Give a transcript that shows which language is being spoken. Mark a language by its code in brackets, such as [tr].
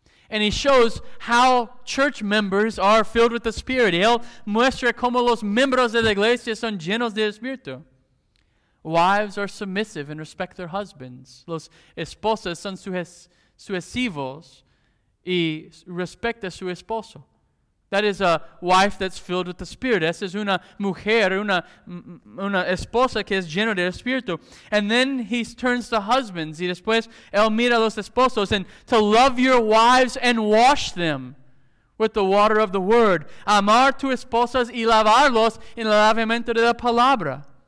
[en] And he shows how church members are filled with the Spirit. [es] Y él muestra cómo los miembros de la iglesia son llenos de Espíritu. [en] Wives are submissive and respect their husbands. [es] Los esposos son sujetivos y respecta su esposo. [en] That is a wife that's filled with the Spirit. [es] Esa es una mujer, una esposa que es llena del Espíritu. [en] And then he turns to husbands. [es] Y después él mira a los esposos. [en] And to love your wives and wash them with the water of the Word. [es] Amar tu esposas y lavarlos en el lavamiento de la palabra.